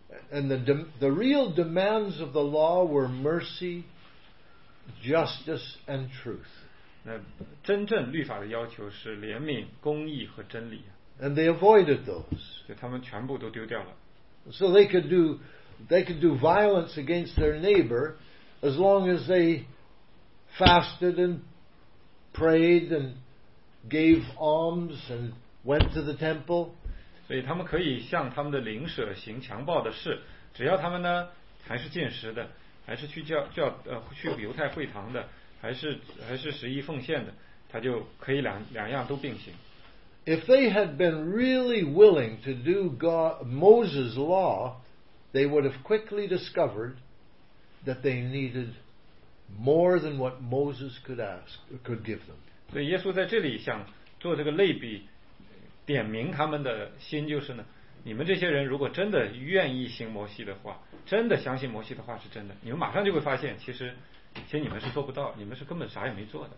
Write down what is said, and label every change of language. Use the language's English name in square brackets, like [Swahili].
[English] And the real demands of the law were mercy, justice, and truth. [Chinese] 那真正律法的要求是怜悯、公义和真理。 [English] And they avoided those. [Chinese] 就他们全部都丢掉了。 [English] So they could do violence against their neighbor as long as they fasted and prayed and gave alms and went to the temple. [Chinese] 所以他们可以向他们的邻舍行强暴的事，只要他们呢还是进食的，还是去去犹太会堂的。还是十一奉献的，他就可以两样都并行。 [English] If they had been really willing to do Moses' law, they would have quickly discovered that they needed more than what Moses could give them. [Chinese] 所以耶稣在这里想做这个类比，点明他们的心就是呢，你们这些人如果真的愿意行摩西的话，真的相信摩西的话是真的，你们马上就会发现，其实你们是做不到，你们是根本啥也没做的。